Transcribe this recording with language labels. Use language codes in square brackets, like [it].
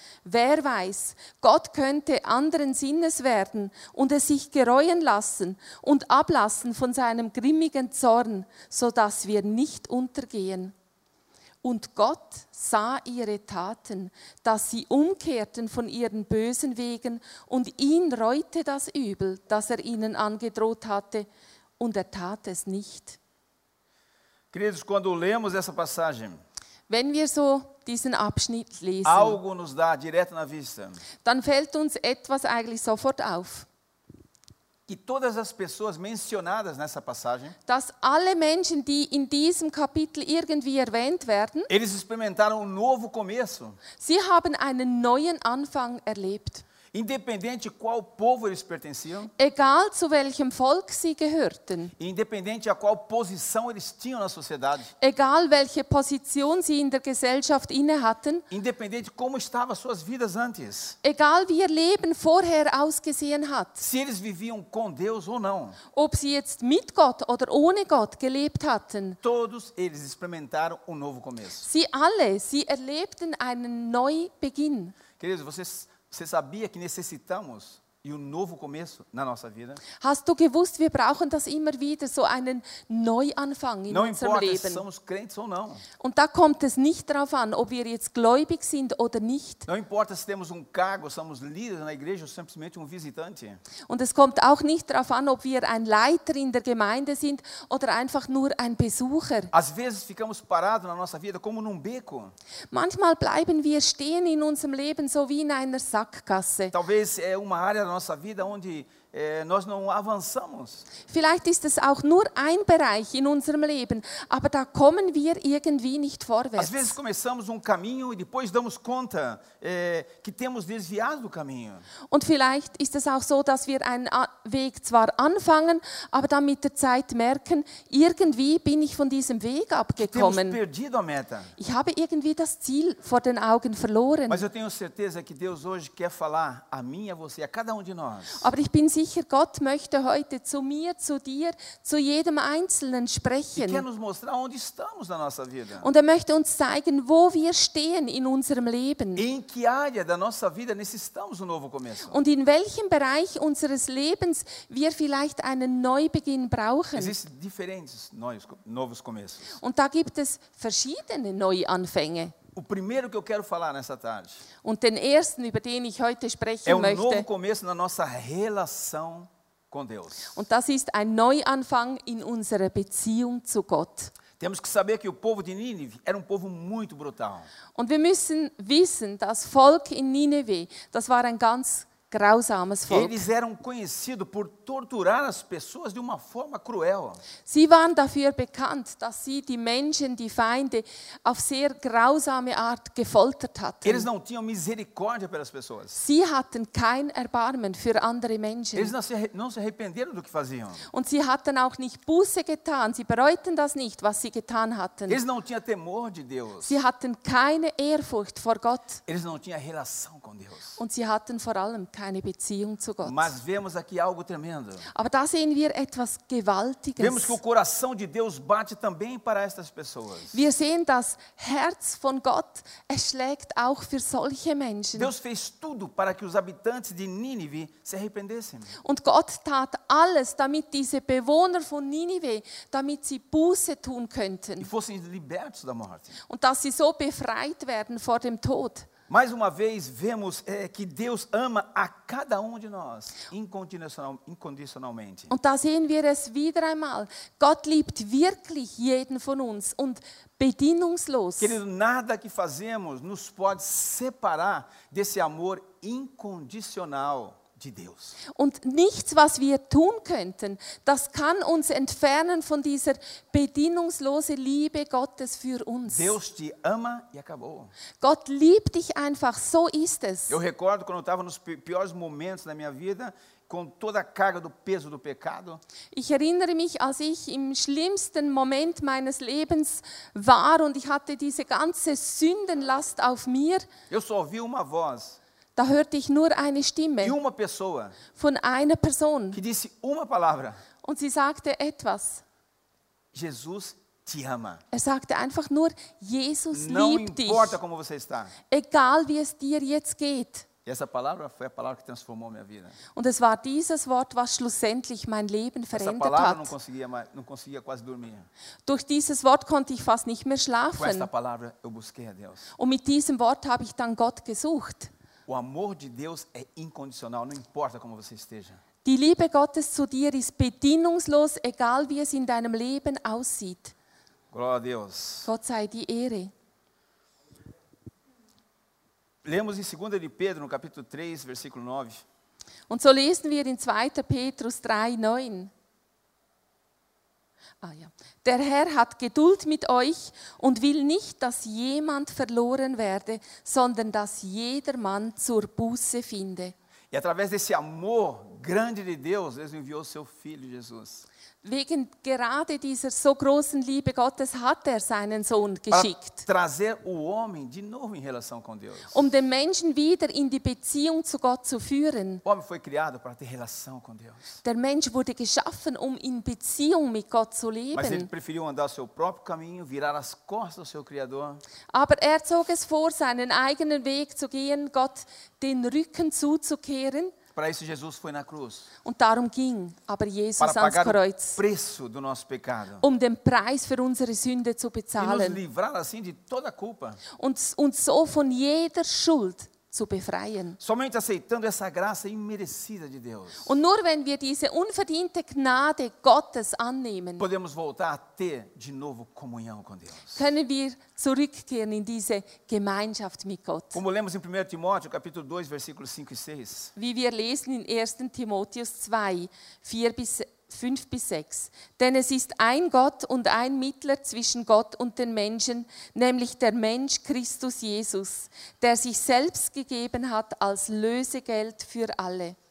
[de] Wer weiß, Gott könnte anderen Sinnes werden und es sich gereuen lassen und ablassen von seinem grimmigen Zorn, sodass wir nicht untergehen. Und Gott sah ihre Taten, dass sie umkehrten von ihren bösen Wegen, und ihn reute das Übel, das er ihnen angedroht hatte, und er tat es nicht. [pt] Queridos, quando lemos essa passagem, [de] wenn wir so diesen Abschnitt lesen, [pt] algo nos dá direto na vista, [de] dann fällt uns etwas eigentlich sofort auf. [pt] Que todas as pessoas mencionadas nessa passagem, [de] dass alle Menschen, die in diesem Kapitel irgendwie erwähnt werden, [pt] eles experimentaram um novo começo. [de] Sie haben einen neuen Anfang erlebt. [pt] Independente qual povo eles pertenciam, [de] egal zu welchem Volk sie gehörten, [pt] independente a qual posição eles tinham na sociedade, [de] egal welche Position sie in der Gesellschaft innehatten, [pt] independente como estavam suas vidas antes, [de] egal wie ihr Leben vorher ausgesehen hat, [pt] se eles viviam com Deus ou não, [de] ob sie jetzt mit Gott oder ohne Gott gelebt hatten, [pt] todos eles experimentaram um novo começo. [de] Sie alle, sie erlebten einen Neubeginn. [pt] Queridos, você sabia que necessitamos de um novo começo na nossa vida? [de] Hast du gewusst, wir brauchen das immer wieder, so einen Neuanfang in unserem Leben? [pt] Não importa se somos crentes ou não. [de] Und da kommt es nicht drauf an, ob wir jetzt gläubig sind oder nicht. [pt] Não importa se temos um cargo, somos líderes na igreja ou simplesmente visitante. [de] Und es kommt auch nicht drauf an, ob wir ein Leiter in der Gemeinde sind oder einfach nur ein Besucher. [pt] Às vezes ficamos parados na nossa vida como num beco. [de] Manchmal bleiben wir stehen in unserem Leben so wie in einer Sackgasse. [pt] Talvez é uma área da nossa vida onde nós não avançamos. [de] Vielleicht ist es auch nur ein Bereich in unserem Leben, aber da kommen wir irgendwie nicht vorwärts. [pt] Às vezes começamos caminho e depois damos conta que temos desviado do caminho. [de] Und vielleicht ist es auch so, dass wir einen Weg zwar anfangen, aber dann mit der Zeit merken, irgendwie bin ich von diesem Weg abgekommen. [pt] Temos perdido a meta. [de] Ich habe irgendwie das Ziel vor den Augen verloren. [pt] Mas eu tenho certeza que Deus hoje quer falar a mim, a você, a cada de nós. [de] Aber ich bin sicher, Gott möchte heute zu mir, zu dir, zu jedem Einzelnen sprechen. [pt] Ele quer nos mostrar onde estamos na nossa vida. [de] Und er möchte uns zeigen, wo wir stehen in unserem Leben. [pt] Em que área da nossa vida necessitamos novo começo? [de] Und in welchem Bereich unseres Lebens wir vielleicht einen Neubeginn brauchen. [pt] Existem diferentes novos começos. [de] Und da gibt es verschiedene Neuanfänge. [pt] O primeiro que eu quero falar nessa tarde. [de] Und den ersten, über den ich heute sprechen möchte. [pt] É um novo começo na nossa relação com Deus. [de] Und das ist ein Neuanfang in unserer Beziehung zu Gott. [pt] Temos que saber que o povo de Nínive era povo muito brutal. [de] Und wir müssen wissen, das Volk in Nineveh, das war ein ganz grausames Volk. [pt] Eles eram conhecidos por torturar as pessoas de uma forma cruel. [de] Sie waren dafür bekannt, dass sie die Menschen, die Feinde, auf sehr grausame Art gefoltert hatten. [pt] Eles não tinham misericórdia pelas pessoas. [de] Sie hatten kein Erbarmen für andere Menschen. [pt] Eles não se arrependeram do que faziam. [de] Und sie hatten auch nicht Buße getan. Sie bereuten das nicht, was sie getan hatten. [pt] Eles não tinham temor de Deus. [de] Sie hatten keine Ehrfurcht vor Gott. [pt] Eles não tinham relação com Deus. [de] Und sie hatten vor allem keine Beziehung zu Gott. [pt] Mas vemos aqui algo tremendo. [de] Aber da sehen wir etwas Gewaltiges. [pt] Vemos que o coração de Deus bate também para estas pessoas. [de] Wir sehen, das Herz von Gott, es schlägt auch für solche Menschen. [pt] Deus fez tudo para que os habitantes de Nínive se arrependessem. [de] Und Gott tat alles, damit diese Bewohner von Nínive, damit sie Buße tun könnten. [pt] E fossem libertos da morte. [de] Und dass sie so befreit werden vor dem Tod. [pt] Mais uma vez vemos que Deus ama a cada de nós incondicionalmente. [de] Und da sehen wir es wieder einmal. Gott liebt wirklich jeden von uns und bedingungslos. [pt] Querido, nada que fazemos nos pode separar desse amor incondicional. [de] Und nichts, was wir tun könnten, das kann uns entfernen von dieser bedingungslosen Liebe Gottes für uns. [pt] Deus te ama e acabou. [de] Gott liebt dich einfach, so ist es. [pt] Eu recordo quando eu estava nos piores momentos da minha vida, com toda a carga do peso do pecado. [de] Ich erinnere mich, als ich im schlimmsten Moment meines Lebens war und ich hatte diese ganze Sündenlast auf mir. [pt] Eu só ouvi uma voz. [de] Da hörte ich nur eine Stimme [pt] uma pessoa, [de] von einer Person [pt] que disse uma palavra, [de] und sie sagte etwas. [pt] Jesus te ama. [de] Er sagte einfach nur, Jesus [pt] Não [de] liebt [pt] importa [de] dich. [pt] Como você está. [de] Egal wie es dir jetzt geht. [pt] E essa palavra foi a palavra que transformou minha vida. [de] Und es war dieses Wort, was schlussendlich mein Leben verändert [pt] essa palavra [de] hat. [pt] Não conseguia quase dormir. [de] Durch dieses Wort konnte ich fast nicht mehr schlafen. [pt] Com essa palavra eu busquei a Deus. [de] Und mit diesem Wort habe ich dann Gott gesucht. [pt] O amor de Deus é incondicional, não importa como você esteja. [de] Die Liebe Gottes zu dir ist bedingungslos, egal wie es in deinem Leben aussieht. [pt] Glória a Deus. [de] Gott sei die Ehre. [pt] Lemos em 2 de Pedro, no capítulo 3, versículo 9. [de] Und so lesen wir in 2. Petrus 3, 9. Ah, ja. Der Herr hat Geduld mit euch und will nicht, dass jemand verloren werde, sondern dass jedermann zur Buße finde. [pt] E através desse amor grande de Deus, Deus enviou seu filho Jesus. [de] Wegen gerade dieser so großen Liebe Gottes hat er seinen Sohn geschickt. [pt] Para trazer o homem de novo em relação com Deus. [de] Um den Menschen wieder in die Beziehung zu Gott zu führen. [pt] O homem foi criado para ter relação com Deus. [de] Der Mensch wurde geschaffen, um in Beziehung mit Gott zu leben. [pt] Mas ele preferiu andar seu próprio caminho, virar as costas ao seu Criador. [de] Aber er zog es vor, seinen eigenen Weg zu gehen, Gott den Rücken zuzukehren. [pt] Para isso Jesus foi na cruz. [de] Und darum ging aber Jesus [pt] para pagar [de] ans Kreuz, [pt] o preço do nosso pecado. [de] Um den Preis für unsere Sünde zu bezahlen. [pt] E nos livrar assim de toda a culpa. [de] Und so von jeder Schuld zu befreien. [pt] Somente aceitando essa graça imerecida de Deus. [de] Und nur wenn wir diese unverdiente Gnade Gottes annehmen. [pt] Podemos voltar a ter de novo comunhão com Deus. [de] Können wir zurückkehren in diese Gemeinschaft mit Gott. [pt] Como lemos em 1 Timóteo, capítulo 2, versículos 5 e 6. [de] Wie wir lesen in 1. Timotheus 2, 4 bis 5 bis 6. Denn es ist ein Gott und ein Mittler zwischen Gott und den Menschen, nämlich der Mensch Christus Jesus, der sich selbst gegeben hat als Lösegeld für alle.